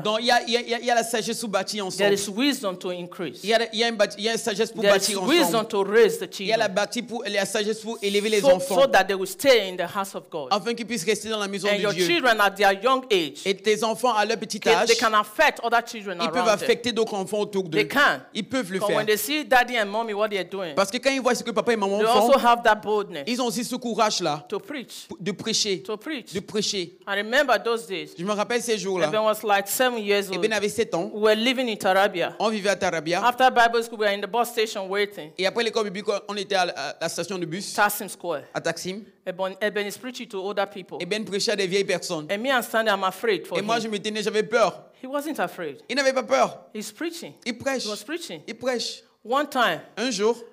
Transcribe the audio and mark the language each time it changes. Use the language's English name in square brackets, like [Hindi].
[French] Donc il y a la sagesse pour bâtir ensemble. [English] There is wisdom to increase. [French] Il y a une sagesse pour [English] there [French] bâtir ensemble. [English] There is wisdom to raise the children. [French] Il y a la sagesse pour élever les enfants. [English] So that they will stay in the house of God. [French] Afin qu'ils puissent rester dans la maison [English] and [French] de [English] your [French] Dieu. [English] Children at their young age. [French] Et tes enfants à leur petit âge. [English] They can affect other children [French] ils peuvent affecter d'autres enfants autour d'eux. [English] They can. [French] Ils peuvent le faire. [English] When they see daddy and mommy what they are doing. [French] Parce que quand ils voient ce que papa et maman font. [English] They also have that boldness. [French] Ils ont aussi ce courage là. [English] To preach. [French] De prêcher. [English] To preach. [French] De prêcher. [English] I remember those days. [French] Je me rappelle ces jours-là. [English] Eben was like 7 years old. [French] Eben avait 7 ans. [English] We were living in Tarabia. [French] On vivait à Tarabia. [English] After Bible school, we were in the bus station waiting. [French] Et après l'école biblique, on était à la station de bus. [English] Taksim Square. [French] À Taksim. [English] Eben is preaching to older people. [French] Eben prêchait à des vieilles personnes. [English] And me, I'm standing, I'm afraid for [French] Et moi, [English] him. [French] Je me tenais, j'avais peur. [English] He wasn't afraid. [French] Il n'avait pas peur. [English] He's preaching. [French] Il prêche. [English] He was preaching. [French] Il prêche. [English] One time. [French] Un jour.